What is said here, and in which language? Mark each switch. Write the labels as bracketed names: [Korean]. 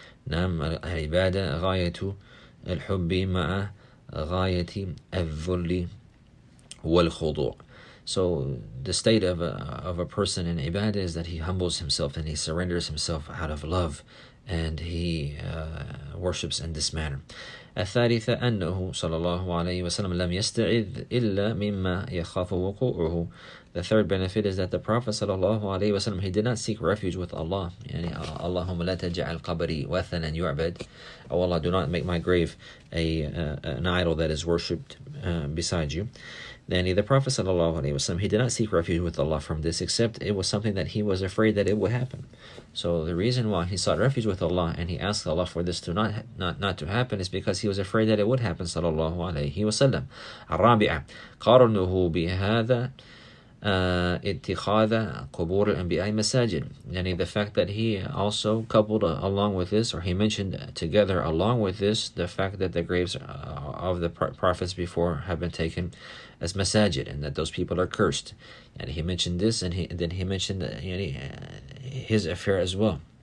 [Arabic] Nam ibadah ghayatu al-hubbi ma'a ghayati al-dhulli wal-khudu'. [English] So the state of a person in ibadah is that he humbles himself and he surrenders himself out of love, and he worships in this manner. [Arabic] الثالثة أنه صلى الله عليه وسلم لم يستعذ إلا مما يخاف وقوعه. [English] The third benefit is that the Prophet [Arabic] صلى الله عليه وسلم, [English] he did not seek refuge with Allah. [Arabic] يعني اللهم لا تجعل قبري وثنا يعبد. [English] Oh Allah, do not make my grave an idol that is worshipped beside you. Then the Prophet sallallahu alaihi wasallam, he did not seek refuge with Allah from this, except it was something that he was afraid that it would happen. So the reason why he sought refuge with Allah and he asked Allah for this to not to happen is because he was afraid that it would happen, sallallahu alaihi wasallam. [Arabic] الرابعه قارنه بهذا اتخاذ قبور الانبياء مساجد. [English] يعني the fact that he also coupled along with this, or he mentioned together along with this, the fact that the graves of the prophets before have been taken as masajid, and that those people are cursed. And he mentioned this, and then he mentioned his affair as well.